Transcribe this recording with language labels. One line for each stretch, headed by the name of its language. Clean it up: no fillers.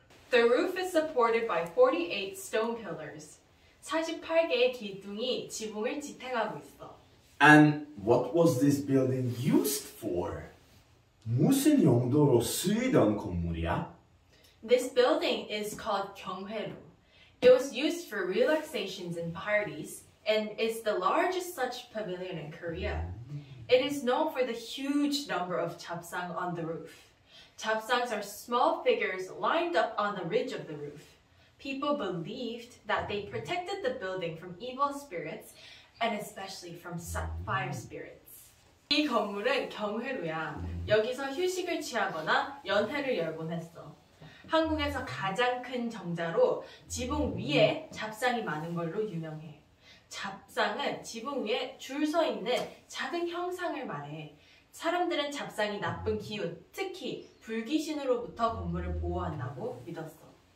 English: The roof is supported by 48 stone pillars.
Korean: 48개의 기둥이 지붕을 지탱하고 있어.
English: And what was this building used for?
Korean: 무슨 용도로 쓰이던 건물이야?
English: This building is called Gyeonghoeru. It was used for relaxations and parties, and is the largest such pavilion in Korea. It is known for the huge number of japsang on the roof. Japsangs are small figures lined up on the ridge of the roof. People believed that they protected the building from evil spirits, and especially from fire spirits.
Korean: 이 건물은 경회루야. 여기서 휴식을 취하거나 연회를 열곤 했어. 한국에서 가장 큰 정자로 지붕 위에 잡상이 많은 걸로 유명해. 잡상은 지붕 위에 줄 서 있는 작은 형상을 말해. 사람들은 잡상이 나쁜 기운, 특히 불귀신으로부터 건물을 보호한다고 믿었어.